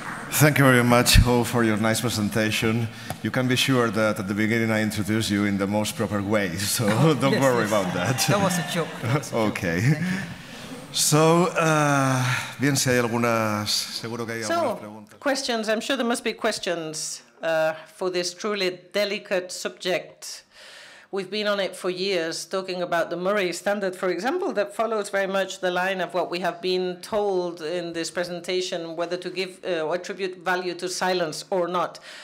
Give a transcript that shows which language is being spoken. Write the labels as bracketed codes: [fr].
[en] Thank you very much, Ho, for your nice presentation. You can be sure that at the beginning I introduced you in the most proper way, so don't yes, worry yes. about that. That was a joke. Okay. [es] So, bien, si hay algunas, seguro que hay algunas preguntas. Questions. [en] I'm sure there must be questions for this truly delicate subject. We've been on it for years, talking about the Murray Standard, for example, that follows very much the line of what we have been told in this presentation, whether to give or attribute value to silence or not.